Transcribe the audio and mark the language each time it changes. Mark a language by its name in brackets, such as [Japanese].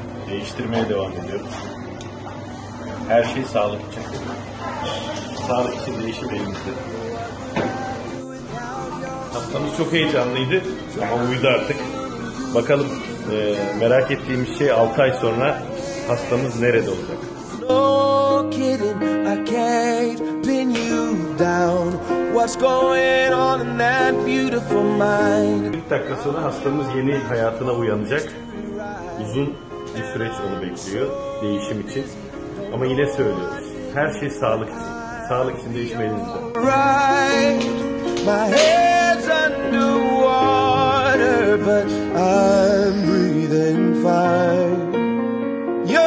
[Turkish] Değiştirmeye devam ediyoruz. Her şey sağlık için. Sağlık için değişim elimizde. Haftamız çok heyecanlıydı ama uyudu artık. Bakalım, merak ettiğimiz şey 6 ay sonra hastamız nerede olacak? [English] No kidding, I can't pin you down. What's going on in that beautiful mind? [Turkish] Bir dakika sonra hastamız yeni hayatına uyanacak. Uzun bir süreç onu bekliyor değişim için. Ama yine söylüyoruz, her şey sağlık için. Sağlık için değişim elinizde. [English] Right, my head's underwater, but I'm breathing fine.